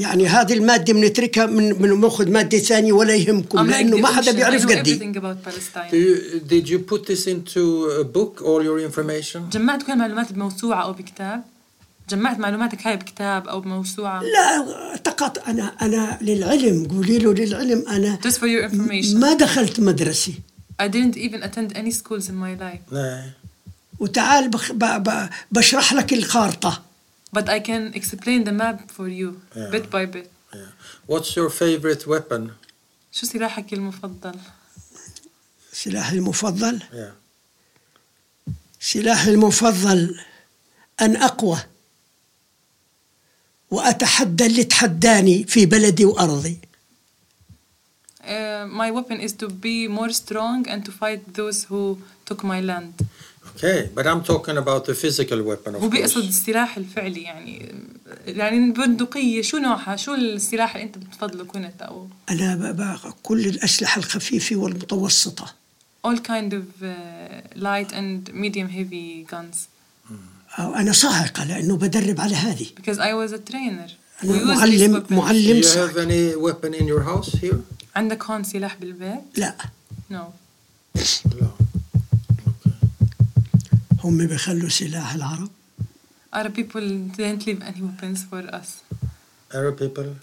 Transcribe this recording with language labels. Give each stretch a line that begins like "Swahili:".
Arabic: يعني هذه المادة منتركها من مأخذ مادة ثانية ولا يهمكم لأنه ما حدا بيعرف قدي.
English: Did you put this into a book all your information?
Arabic: جمعت كل معلومات بموسوعة أو بكتاب. جمعت معلوماتك هاي بكتاب أو بموسوعة؟ لا تقط أنا للعلم قولي له للعلم أنا
English: Just for your information.
Arabic: ما دخلت مدرسة
English: I didn't even attend any schools in my life
Arabic: وتعال بشرح لك الخارطة
English: But I can explain the map for you bit by bit What's your favorite weapon?
Arabic: شو سلاحك المفضل؟ سلاحي المفضل؟
English: Yeah.
Arabic: سلاحي المفضل أن أقوى وأتحدى اللي تحداني في بلدي وأرضي.
English: My weapon is to be more strong and to fight those who took my land. Okay, but I'm talking about the physical weapon.
Arabic: هو بيقصد السلاح الفعلي يعني البندقية شو نوعها شو السلاح اللي أنت بتفضله كنت أو؟ أنا بقى كل الأسلحة الخفيفة والمتوسطة.
English: All kind of light and medium heavy guns.
Arabic: أنا صاعقة لأنه بدرب على هذه.
English: Because I was a trainer.
Arabic: أنا معلم صاعق.
English: Do you have any weapon in your house here?
Arabic: عندك هون سلاح بالبيت؟ لا.
English: No.
Arabic: هم بيخلوا سلاح العرب؟
English: Arab people didn't leave any weapons for us. Arab people